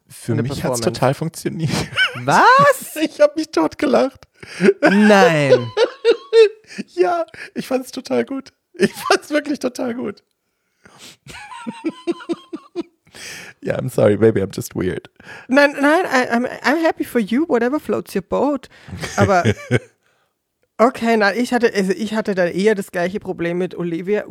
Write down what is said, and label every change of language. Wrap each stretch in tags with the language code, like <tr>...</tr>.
<de>Für mich hat es total funktioniert. Was? Ich habe mich totgelacht. Nein. Ja, ich fand es total gut. Ich fand es wirklich total gut.</de> <en>Ja, I'm sorry, maybe I'm just weird. Nein, I'm happy for you, whatever floats your boat.</en> <de>Aber, okay, ich hatte dann eher das gleiche Problem mit Olivia.</de>